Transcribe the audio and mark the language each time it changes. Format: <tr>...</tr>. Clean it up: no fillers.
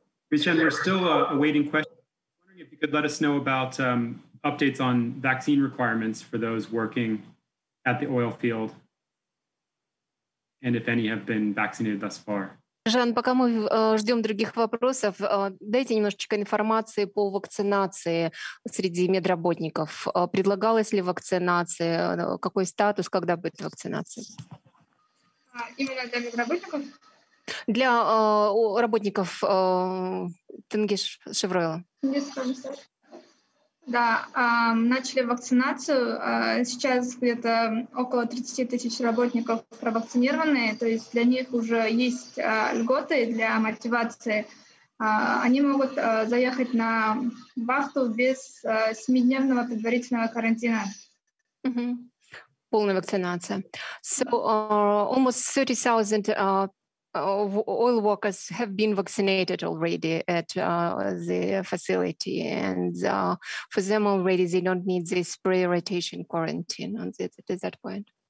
<en>Bichen, we're still awaiting questions. I'm wondering if you could let us know about updates on vaccine requirements for those working at the oil field, and if any have been vaccinated thus far.</en> <ru>Жан, пока мы ждем других вопросов, дайте немножечко информации по вакцинации среди медработников. Предлагалась ли вакцинация? Какой статус? Когда будет вакцинация? Именно для медработников? Для работников Тенгиш Шевройла. Да, начали вакцинацию. Сейчас где-то около 30 тысяч работников провакцинированы. То есть для них уже есть льготы для мотивации. Они могут заехать на вахту без 7-дневного предварительного карантина. Полная вакцинация.</ru> <en>So almost 30,000 oil workers have been vaccinated already at the facility, and for them already they don't need this pre-rotation quarantine on this, at that point.</en>